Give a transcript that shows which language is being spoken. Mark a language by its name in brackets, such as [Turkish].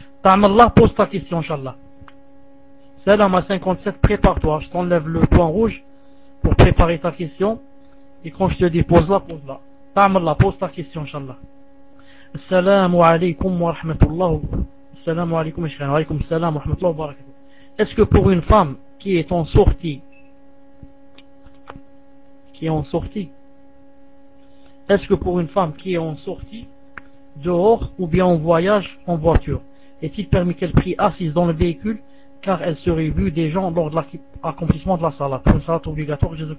[French] Ta'am Allah, pose ta question, inshallah. Salam à 57, prépare-toi. Je t'enlève le point rouge pour préparer ta question. Et quand je te dis pose-la. Ta'am Allah, pose ta question, inshallah. [Arabic] السلام عليكم ورحمة الله السلام عليكم شيخنا وعليكم السلام ورحمة الله وبركاته. [French] Est-ce que pour une femme qui est en sortie, est-ce que pour une femme qui est en sortie dehors ou bien en voyage en voiture, est-il permis qu'elle prie assise dans le véhicule car elle serait vue des gens lors de l'accomplissement de la salat, pour une salat obligatoire?